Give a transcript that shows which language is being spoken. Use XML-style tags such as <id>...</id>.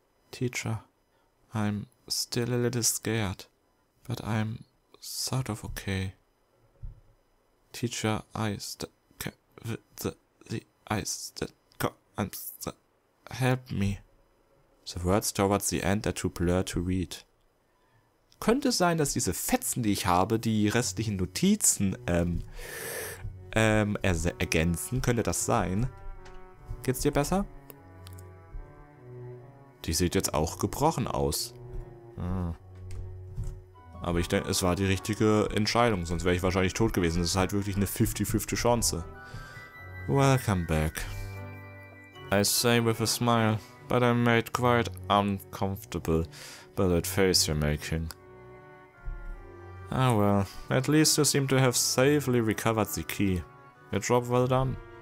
<en>Teacher, I'm still a little scared, but I'm sort of okay. Teacher, help me. The words towards the end are too blurred to read.</en> <de>Könnte sein, dass diese Fetzen, die ich habe, die restlichen Notizen ergänzen. Könnte das sein? Geht's dir besser? Die sieht jetzt auch gebrochen aus. Aber ich denke, es war die richtige Entscheidung, sonst wäre ich wahrscheinlich tot gewesen. Das ist halt wirklich eine 50-50 Chance.</de> <en>Welcome back. I say with a smile, but I'm made quite uncomfortable by that face you're making. Ah well, at least you seem to have safely recovered the key. Your job well done.</en>